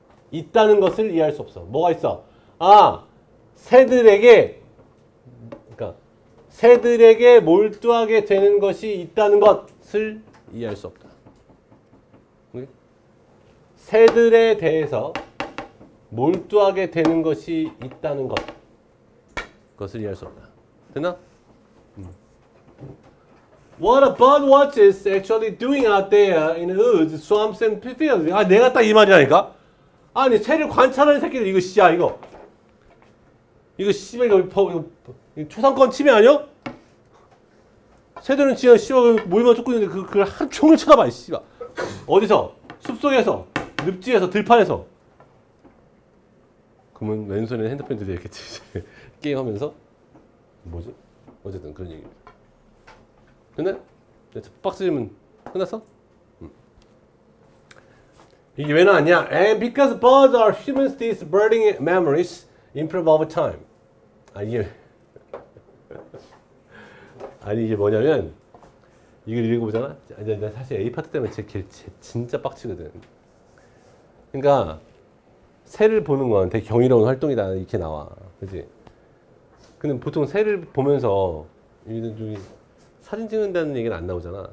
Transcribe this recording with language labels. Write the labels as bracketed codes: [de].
[ko] 있다는 것을 이해할 수 없어. 뭐가 있어? 아, 새들에게, 그러니까 새들에게 몰두하게 되는 것이 있다는 것을 이해할 수 없다. 오케이? 새들에 대해서 몰두하게 되는 것이 있다는 것. 그것을 이해할 수 없다. 됐나? [en] What a birdwatch is actually doing out there in the woods, swamps and fields. [ko] 아, 내가 딱 이 말이라니까? 아니, 새를 관찰하는 새끼들, 이거 씨야, 이거. 이거 씨발, 이거 초상권 침해 아니야? 새들은 지금 씨발 모이만 쫓고 있는데 그걸 한 총을 쳐다봐, 씨발. 어디서? 숲속에서? 늪지에서? 들판에서? 그러면 왼손에 핸드폰 들이겠지. 게임하면서? 뭐지? 어쨌든 그런 얘기입니다. 끝났? 박스 질문 끝났어? 이게 왜 나왔냐? [en] And because birds are humans, these birding memories improve over time. [ko] 아니 이게 뭐냐면 이걸 읽어보잖아? 나 사실 A파트 때문에 제 진짜 빡치거든. 그러니까 새를 보는 건 되게 경이로운 활동이다 이렇게 나와. 그치? 근데 보통 새를 보면서 이런 중에 사진 찍는다는 얘기는 안 나오잖아.